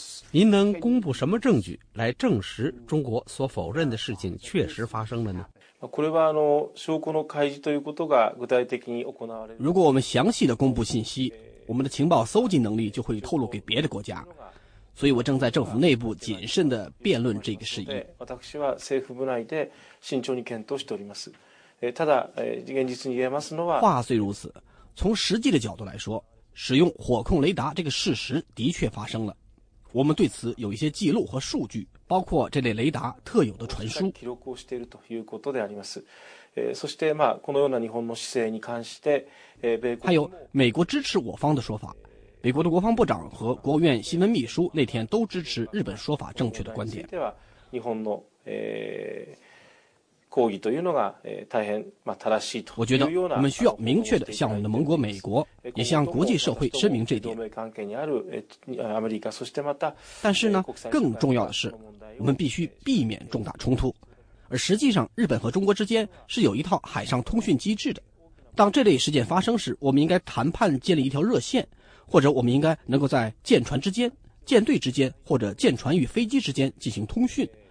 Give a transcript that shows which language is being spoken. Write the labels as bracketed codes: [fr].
[zh] 您能公布什么证据来证实中国所否认的事情确实发生了呢？ [ja] これは証拠の開示ということが具体的に行われ。 [zh] 如果我们详细的公布信息，我们的情报搜集能力就会透露给别的国家。所以我正在政府内部谨慎的辩论这个事宜。 [ja] 私は政府部内で慎重に検討しております。ただ現実に言えますのは、 [zh] 话虽如此，从实际的角度来说，使用火控雷达这个事实的确发生了。我们对此有一些记录和数据。包括这类雷达特有的传输。 [ja] 記録をしているということであります。そして、まあ、このような日本の姿勢に関して、米国 [zh] 还有美国支持我方的说法。美国的国防部长和国务院新闻秘书那天都支持日本说法正确的观点。 [ja] では日本の抗議というのが大変正しいというような。 [zh] 我觉得我们需要明确的向我们的盟国美国，也向国际社会声明这一点。 [ja] 同盟関係にあるアメリカ、そしてまた。 [zh] 但是呢，更重要的是，我们必须避免重大冲突。而实际上，日本和中国之间是有一套海上通讯机制的。当这类事件发生时，我们应该谈判建立一条热线，或者我们应该能够在舰船之间、舰队之间或者舰船与飞机之间进行通讯。